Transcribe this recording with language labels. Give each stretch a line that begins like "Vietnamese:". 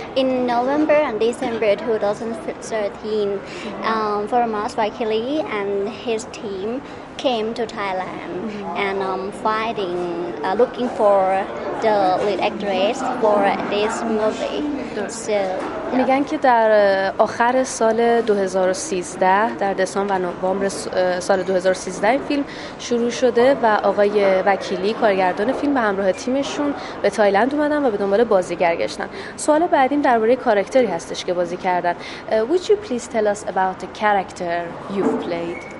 English: In November and December 2013, Formas Vakili and his team came to Thailand and finding looking for the lead actress for this movie. So, yeah.
Persian: میگن که در آخر سال 2013، در دسامبر و نوامبر سال 2013 این فیلم شروع شده و آقای وکیلی کارگردان فیلم به همراه تیمشون به تایلند اومدن و به دنبال بازیگر گشتن. سوال بعدیم درباره کاراکتری هستش که بازی کردن.
English: Would you please tell us about the character you've played?